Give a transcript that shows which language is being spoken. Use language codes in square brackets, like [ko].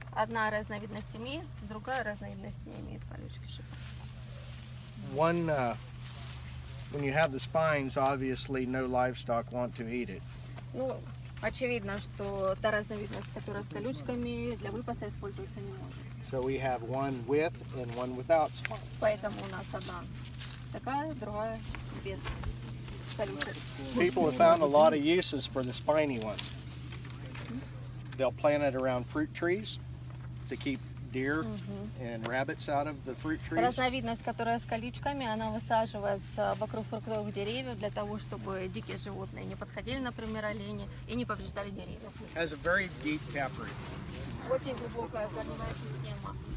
[ru] Одна разновидность имеет, другая разновидность не имеет колючки шипа. [en] One, when you have the spines, obviously no livestock want to eat it. [ru] Ну, очевидно, что та разновидность, которая с колючками, для выпаса используется не может. [en] So we have one with and one without spines. [ru] Поэтому у нас одна такая, другая без колючек. [en] People have found a lot of uses for the spiny ones. They'll plant it around fruit trees. To keep deer and rabbits out of the fruit trees. [ru] Разновидность, которая с колючками, она высаживается вокруг фруктовых деревьев для того, чтобы дикие животные не подходили, например, олени, и не повреждали деревья. [en] Has a very deep taproot. [ru] Очень глубокая корневая система.